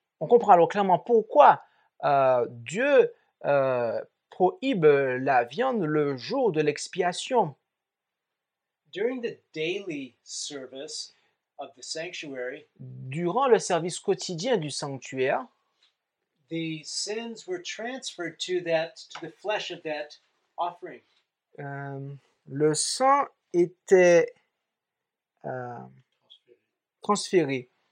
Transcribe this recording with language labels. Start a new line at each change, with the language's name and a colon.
French: On comprend alors clairement pourquoi Dieu prohibe la viande le jour de l'expiation.
English: During the daily service of the sanctuary,
French: durant le service quotidien du sanctuaire,
English: the sins were transferred to that, to the flesh of that offering.
French: Le sang était transféré.